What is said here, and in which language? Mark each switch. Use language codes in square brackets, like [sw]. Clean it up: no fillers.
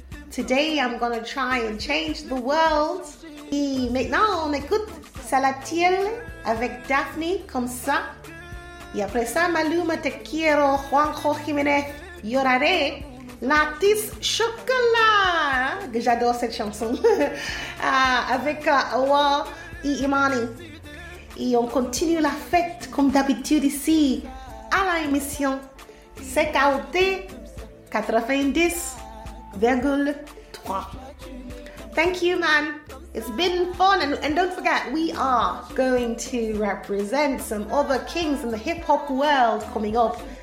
[en] Today I'm gonna try and change the world. [fr] Et maintenant, on écoute Salatiel avec Daphne, comme ça. Y après ça, Maluma, te quiero, Juanjo Jiménez, lloraré, Latis Chocolat. que j'adore cette chanson, avec Awa et Imani. Et on continue la fête comme d'habitude ici à la émission CKOT 90.3. [en] Thank you, man. It's been fun. And don't forget, we are going to represent some other kings in the hip hop world coming up.